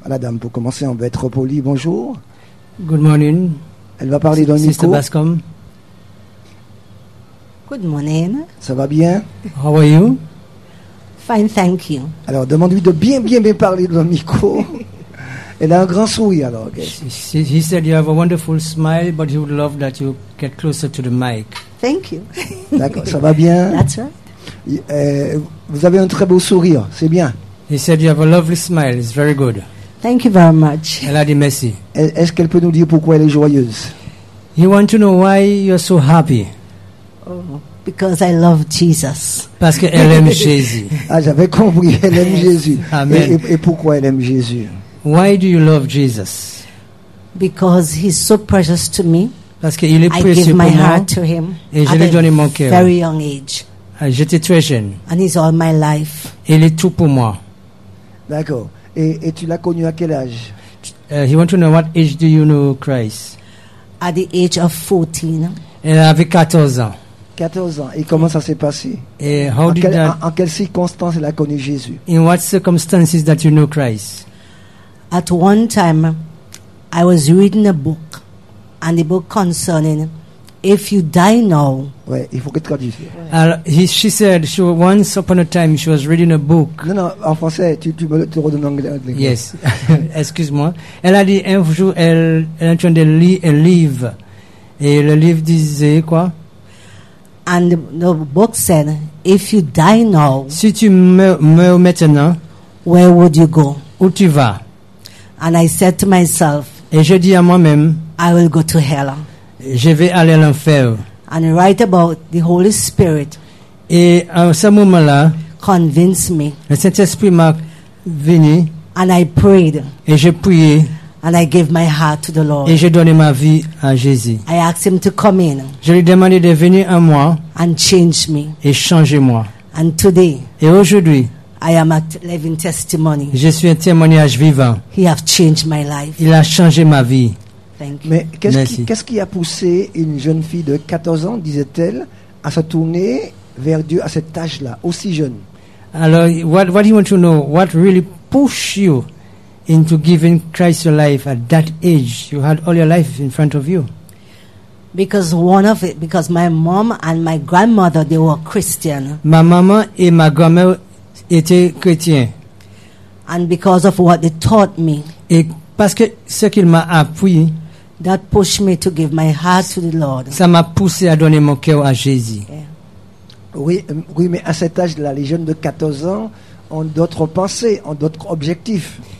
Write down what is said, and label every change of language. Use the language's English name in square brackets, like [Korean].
[French] À la dame, pour commencer, on va être poli. Bonjour. [English] Good morning. [French] Elle va parler dans le [English] Sister [French] micro. [English] Bascombe. Good morning. [French] Ça va bien? [English] How are you? Fine, thank you. [French] Alors, demande-lui de bien parler dans le micro. Elle a un grand sourire, alors. [English] He said you have a wonderful smile, but he would love that you get closer to the mic. Thank you. [French] D'accord, ça va bien. [English] That's right. [French] Vous avez un très beau sourire, c'est bien. [English] He said you have a lovely smile, it's very good. Thank you very much. [French] Elle a dit merci. Est-ce qu'elle peut nous dire pourquoi elle est joyeuse? [English] You want to know why you're so happy? Oh, because I love Jesus. [French] Parce qu'elle aime Jésus. Ah, j'avais compris, elle aime Jésus. Amen. Et pourquoi elle aime Jésus? [English] Why do you love Jesus? Because he's so precious to me. [French] Parce qu'il est précieux pour moi. [English] I give my heart to him. [French] Et je lui donne mon cœur. [English] At a very young age. [French] J'étais très jeune. [English] And he's all my life. [French] Il est tout pour moi. D'accord. Et tu l'as connu à quel âge? [English] He wants to know what age do you know Christ? At the age of 14. [French] Elle avait 14 ans. 14 ans. Et comment ça s'est passé? [English] And how [French] en [English] did quel, that? [French] En quelles circonstances elle a connu Jésus? [English] In what circumstances that you know Christ? At one time, I was reading a book, and the book concerning if you die now. [French] Ouais, il faut que tu traduises. [English] She said she once upon a time she was reading a book. [French] Non, en français, tu me le redonnes en anglais. Yes, excuse-moi. Elle a dit un jour elle est en train de lire un livre, et le livre disait quoi? [English] And the book said, if you die now. [French] Si tu meurs maintenant. [English] Where would you go? [French] Où tu vas? [English] And I said to myself, [French] et je dis à moi-même, [English] I will go to hell. [French] Je vais aller à l'enfer. [English] And right about the Holy Spirit, [French] et à ce moment-là, [English] convinced me. [French] Le Saint-Esprit m'a venu. [English] And I prayed. [French] Et j'ai prié. [English] And I gave my heart to the Lord. [French] Et j'ai donné ma vie à Jésus. [English] I asked him to come in. [French] Je lui ai demandé de venir à moi. [English] And change me. [French] Et changer moi. [English] And today, [French] et aujourd'hui, [English] I am a living testimony. [French] Je suis un témoignage vivant. [English] He have changed my life. [French] Il a changé ma vie. [English] Thank you. [French] Mais qu'est-ce qui a poussé une jeune fille de 14 ans, disait-elle, à se tourner vers Dieu à cet âge-là, aussi jeune? [English] Alors, what do you want to know? What really pushed you into giving Christ your life at that age? You had all your life in front of you. Because my mom and my grandmother, they were Christian. [French] Ma maman et ma grand-mère était chrétien. [English] And because of what they taught me, [French] et parce que ce qu'il m'a appris, [English] that pushed me to give my heart to the Lord. [French] Ça m'a poussé à donner mon cœur à Jésus. [English] Yeah. [French] Oui, mais à cet âge-là, les jeunes de 14 ans ont d'autres pensées, ont d'autres objectifs.